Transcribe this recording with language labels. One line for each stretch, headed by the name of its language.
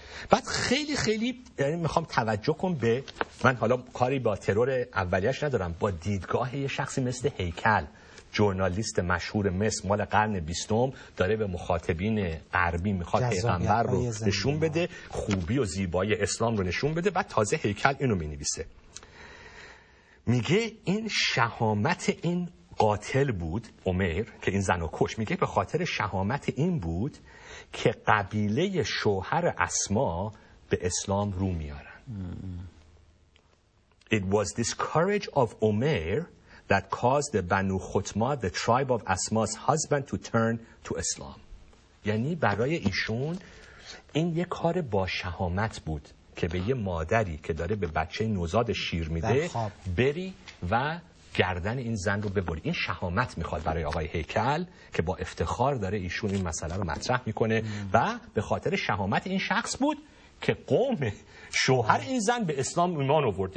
Persian: بعد خیلی خیلی یعنی میخوام توجه کن به، من حالا کاری با ترور اولیش ندارم، با دیدگاه یه شخصی مثل هیکل، جورنالیست مشهور مصر مال قرن 20 داره به مخاطبین غربی میخواد پیغمبر رو نشون بده، خوبی و زیبایی اسلام رو نشون بده، بعد تازه هیکل اینو مینویسه. میگه این شهامت این قاتل بود، عمر که این زن رو کش، میگه به خاطر شهامت این بود که قبیله شوهر اسماء به اسلام رو میارن.
English: It was this courage of Umar that caused the Banu Khatma the tribe of Asma's husband to turn to Islam.
Persian: یعنی برای ایشون این یه کار با شهامت بود که به یه مادری که داره به بچه نوزاد شیر میده بری و گردن این زن رو ببری. این شهامت میخواد برای آقای هیکل که با افتخار داره ایشون این مسئله رو مطرح میکنه و به خاطر شهامت این شخص بود که قوم شوهر این زن به اسلام ایمان آورد.